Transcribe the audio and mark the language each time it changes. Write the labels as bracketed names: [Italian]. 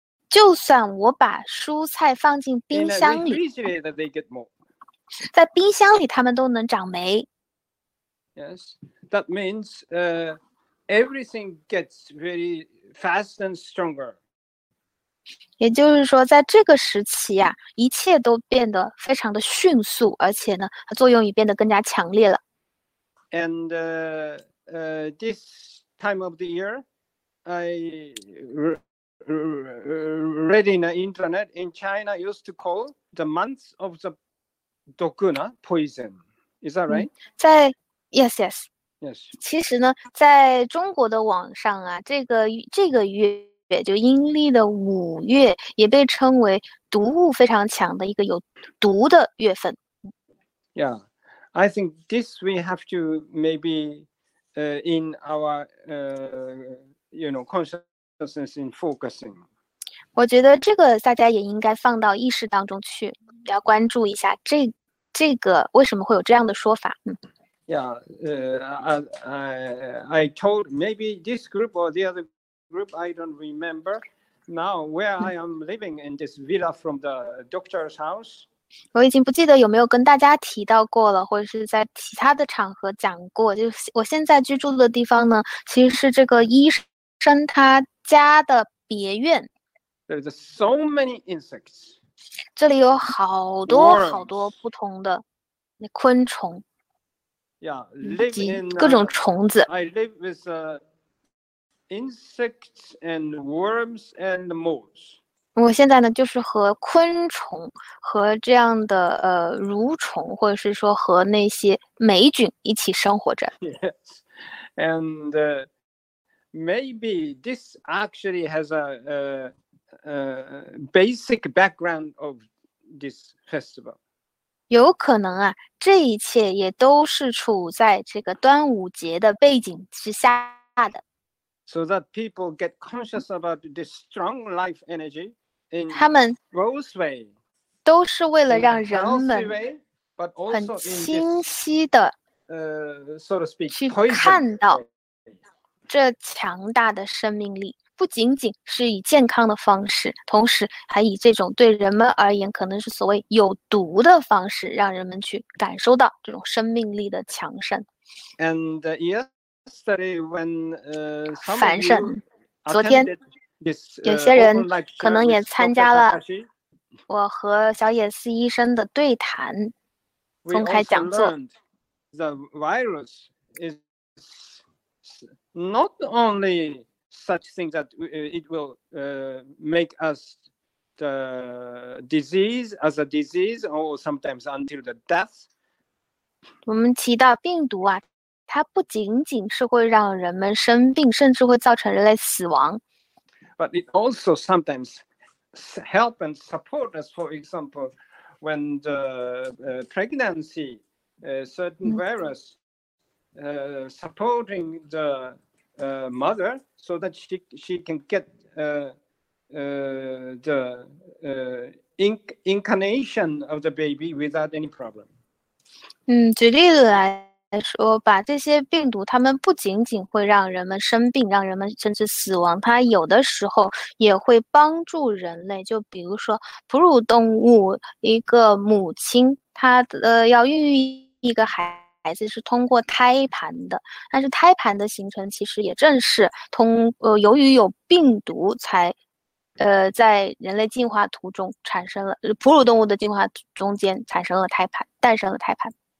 [Chinese] 就算我把蔬菜放进冰箱里，在冰箱里它们都能长霉。 [English] Yes, that means everything gets very fast and stronger. [Chinese] 也就是说，在这个时期呀，一切都变得非常的迅速，而且呢，它作用也变得更加强烈了。 [English] And this time of the year, I read in the internet in China used to call the month of the dokuna poison. Is that right? 在 yes, yes, yes. [Chinese] 其实呢，在中国的网上啊，这个月就阴历的五月也被称为毒物非常强的一个有毒的月份。 [English] Yeah, I think this we have to maybe, in our, you know, conscious. In focusing. [Chinese] 我觉得这个大家也应该放到意识当中去，要关注一下这个为什么会有这样的说法。 [English] I told maybe this group or the other group, I don't remember. Now where I am living in this villa from the doctor's house. [Chinese] 我已经不记得有没有跟大家提到过了，或者是在其他的场合讲过。就我现在居住的地方呢，其实是这个医生他。家的别院 [English] There's so many insects. [Chinese] 这里有好多好多不同的那昆虫 [English] yeah, in, [Chinese] 各种虫子 [English] I live with insects and worms and moles. [Chinese] 我现在呢就是和昆虫和这样的蠕虫或者是说和那些霉菌一起生活着 [English] Yes, andMaybe this actually has a basic background of this festival. [Chinese] 有可能啊，这一切也都是处在这个端午节的背景之下的。 [English] So that people get conscious about this strong life energy in [Chinese] 他们 [English] both way, [Chinese] 都是为了让人们很清晰的 [English] so to speak, [Chinese] 去看到。这强大的生命力不仅仅是以健康的方式，同时还以这种对人们而言可能是所谓有毒的方式，让人们去感受到这种生命力的强盛。 [English] And yesterday, when some [Chinese] 繁盛，昨天有些人可能也参加了我和小野寺医生的对谈，公开讲座。 [English] The virus is not only such thing that it will make us the disease as a disease, or sometimes until the death. [Chinese] 我们提到病毒啊，它不仅仅是会让人们生病，甚至会造成人类死亡。 [English] But it also sometimes help and support us. For example, when the pregnancy. Certain virus supporting the mother so that she can get the incarnation of the baby without any problem. [Chinese] 举例子来说吧，这些病毒它们不仅仅会让人们生病，让人们甚至死亡，它有的时候也会帮助人类。就比如说哺乳动物，一个母亲她要孕育一个孩子是通过胎盘的，但是胎盘的形成其实也正是由于有病毒才在人类进化途中产生了，哺乳动物的进化中间产生了胎盘，诞生了胎盘。